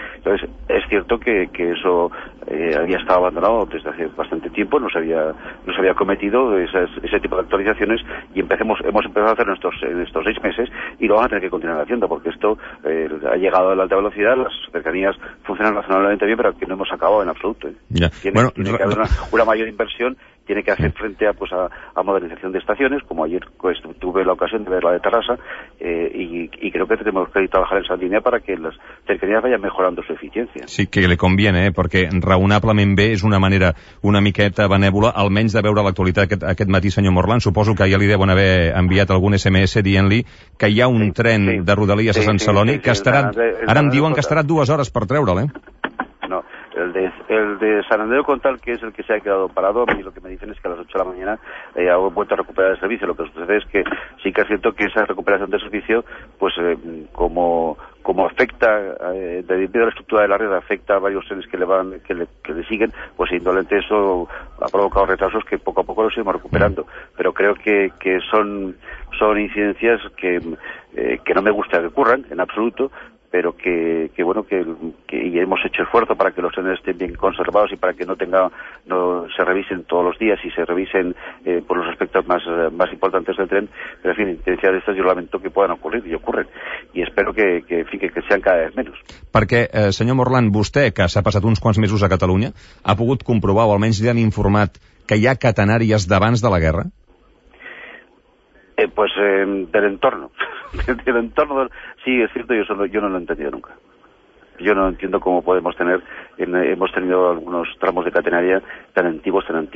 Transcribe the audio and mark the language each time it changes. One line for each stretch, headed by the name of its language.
Spanish: Entonces, es cierto que eso había estado abandonado desde hace bastante tiempo, no se había cometido ese tipo de actualizaciones y hemos empezado a hacer en estos 6 meses y lo vamos a tener que continuar haciendo porque esto ha llegado a la alta velocidad, las cercanías funcionan razonablemente bien, pero que no hemos acabado en absoluto. Tiene que haber una mayor inversión, tiene que hacer frente a modernización de estaciones, como ayer pues, tuve la ocasión de ver la de Tarrasa, y creo que tenemos que trabajar en esa línea para que las cercanías vayan mejorando su eficiencia. Sí, que le conviene, porque
Catalan: raonablement bé és una manera una miqueta benèvola, almenys de veure l'actualitat aquest matí, senyor Morlán. Suposo que ja li deuen haver enviat algun SMS dient-li que hi ha un tren de Rodalies a Sant Celoni, que estarà, ara em diuen que estarà 2 hores per treure'l, eh?
Spanish: El de San Andreu Contal, que es el que se ha quedado parado, a mí lo que me dicen es que a las 8 de la mañana ha vuelto a recuperar el servicio. Lo que sucede es que sí que es cierto que esa recuperación del servicio, pues como afecta, debido a la estructura de la red, afecta a varios trenes que le siguen, pues indudablemente eso ha provocado retrasos que poco a poco los iremos recuperando. Pero creo que son incidencias que no me gusta que ocurran, en absoluto, pero que y hemos hecho esfuerzo para que los trenes estén bien conservados y para que no se revisen todos los días y se revisen por los aspectos más importantes del tren, pero en fin, intencionalidades de estas yo lamento que puedan ocurrir y ocurren y espero que sean cada vez menos.
Catalan: Perquè, senyor Morlán, vostè, que s'ha passat uns quants mesos a Catalunya, ha pogut comprovar o almenys li han informat que hi ha catenàries d'abans de la guerra?
Spanish: Del entorno. Del entorno del... Sí, es cierto, yo no lo he entendido nunca. Yo no entiendo cómo podemos tener... hemos tenido algunos tramos de catenaria tan antiguos.